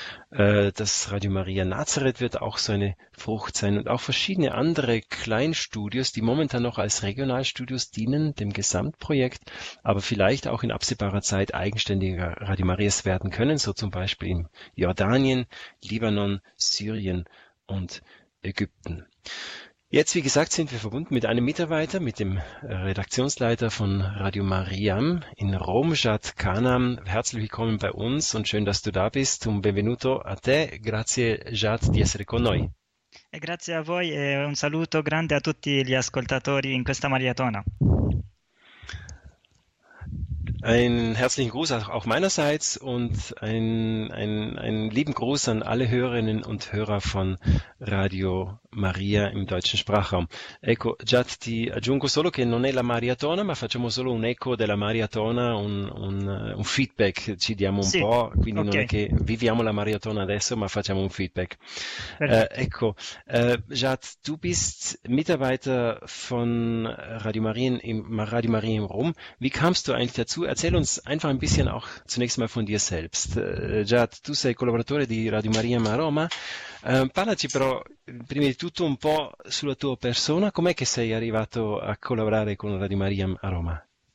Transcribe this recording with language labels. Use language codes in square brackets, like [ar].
[de] Das Radio Maria Nazareth wird auch so eine Frucht sein und auch verschiedene andere Kleinstudios, die momentan noch als Regionalstudios dienen, dem Gesamtprojekt, aber vielleicht auch in absehbarer Zeit eigenständige Radio Marias werden können, so zum Beispiel in Jordanien, Libanon, Syrien und Ägypten. Jetzt, wie gesagt, sind wir verbunden mit einem Mitarbeiter, mit dem Redaktionsleiter von Radio Mariam in Rom, Jad Kanam. Herzlich willkommen bei uns und schön, dass du da bist. [it] Un benvenuto a te. Grazie, Jad, di essere con noi. E grazie a voi e un saluto grande a tutti gli ascoltatori in questa maratona. [de] Einen herzlichen Gruß auch meinerseits und einen lieben Gruß an alle Hörerinnen und Hörer von Radio Maria im deutschen Sprachraum. [it] Ecco, già ti aggiungo solo che non è la maratona, ma facciamo solo un eco della maratona, un feedback ci diamo un sì, po', quindi okay. Non è che viviamo la maratona adesso, ma facciamo un feedback. Ecco, già [de] tu bist Mitarbeiter von Radio Maria in Rom. Wie kamst du eigentlich dazu? Erzähl uns einfach ein bisschen auch zunächst mal von dir selbst. [it] Jad, tu sei collaboratore di Radio Maria a Roma. Parlaci però prima di tutto un po' sulla tua persona. Com'è che sei arrivato a collaborare con Radio Maria a Roma?